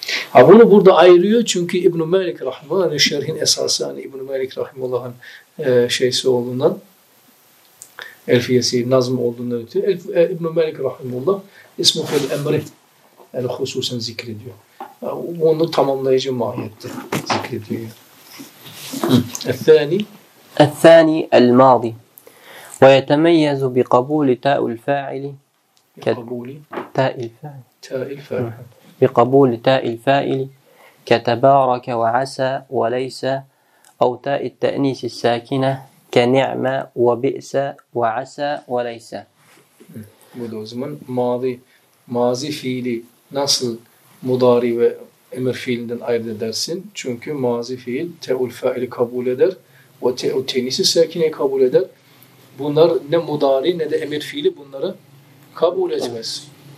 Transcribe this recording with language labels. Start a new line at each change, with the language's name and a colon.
Turkish: Ha bunu burada ayırıyor çünkü İbn-i Melik Rahimullah'ın şerhin esası hani İbn-i Melik Rahimullah'ın şeysi olduğundan elfiyesi, nazm olduğundan ötürü İbn-i Melik Rahimullah ismu fiil emri yani hususen zikrediyor. Onu tamamlayıcı mahiyette zikrediyor.
Arabic: الثاني الثاني الماضي ويتميز بقبول تاء الفاعل بقبول تاء الفاعل تاء الفاعل بقبول تاء الفاعل كتبارك وعسى وليس أو تاء التأنيس الساكنة كنعمة وبئس وعسى وليس.
Turkish: Bu zaman mazi fiili nasıl mudari ve emir fiilinden ayırt edersin? Çünkü mazi fiil teul faili kabul eder ve teul tenisi sakineyi kabul eder. Bunlar ne mudari ne de emir fiili bunları kabul etmez.